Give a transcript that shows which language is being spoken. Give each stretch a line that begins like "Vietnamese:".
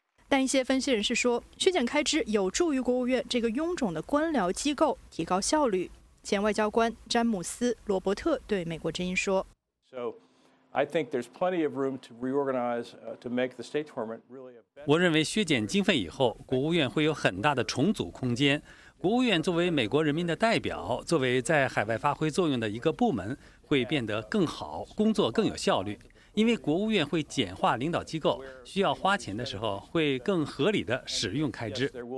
Chinese: 但一些分析人士说，削减开支有助于国务院这个臃肿的官僚机构提高效率。前外交官詹姆斯·罗伯特对美国之音说：“
English: I think there's plenty of room to reorganize to make the State Department really a better.
Chinese: 我认为削减经费以后，国务院会有很大的重组空间。国务院作为美国人民的代表，作为在海外发挥作用的一个部门，会变得更好，工作更有效率。因为国务院会简化领导机构，需要花钱的时候会更合理的使用开支。